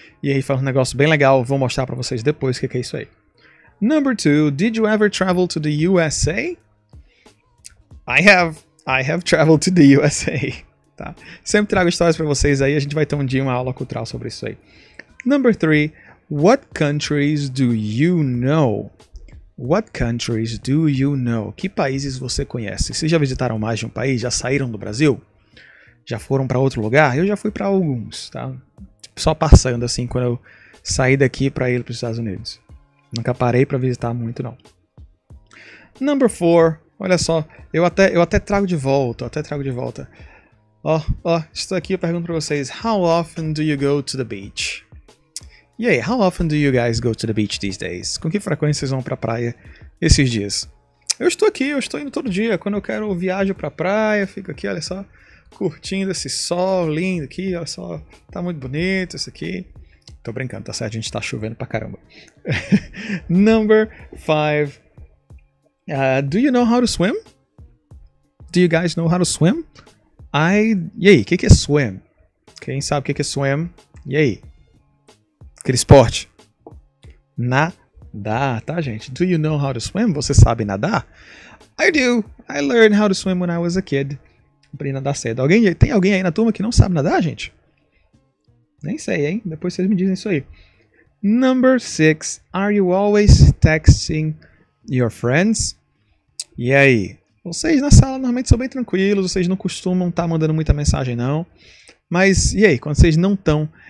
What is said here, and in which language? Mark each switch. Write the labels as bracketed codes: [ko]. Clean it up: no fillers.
[pt] E aí faz um negócio bem legal. Vou mostrar pra vocês depois o que é isso aí. [en] Number two, did you ever travel to the USA? I have traveled to the USA. Tá? [pt] Sempre trago histórias pra vocês aí. A gente vai ter um dia uma aula cultural sobre isso aí. [en] Number three, what countries do you know? What countries do you know? [pt] Que países você conhece? Vocês já visitaram mais de um país? Já saíram do Brasil? Já foram para outro lugar? Eu já fui para alguns, tá? Só passando assim quando eu saí daqui para ir para os Estados Unidos. Nunca parei para visitar muito, não. [en] Number 4. [pt] Olha só. Eu até trago de volta. Ó, estou aqui, eu pergunto para vocês. [en] How often do you go to the beach? E aí, how often do you guys go to the beach these days? [pt] Com que frequência vocês vão pra praia esses dias? Eu estou aqui, eu estou indo todo dia. Quando eu quero, eu viajo pra praia, fico aqui, olha só, curtindo esse sol lindo aqui, olha só, tá muito bonito isso aqui. Tô brincando, tá certo? A gente tá chovendo pra caramba. [en] Number 5. Do you know how to swim? Do you guys know how to swim? E aí, [pt] o que é [en] swim? [pt] Quem sabe o que é swim? E aí? Aquele esporte? Nadar, tá, gente? [en] Do you know how to swim? [pt] Você sabe nadar? [en] I do. I learned how to swim when I was a kid. [pt] Aprendi a nadar cedo. Tem alguém aí na turma que não sabe nadar, gente? Nem sei, hein? Depois vocês me dizem isso aí. [en] Number 6. Are you always texting your friends? E aí? [pt] Vocês na sala normalmente são bem tranquilos. Vocês não costumam estar mandando muita mensagem, não. Mas e aí? Quando vocês não estão...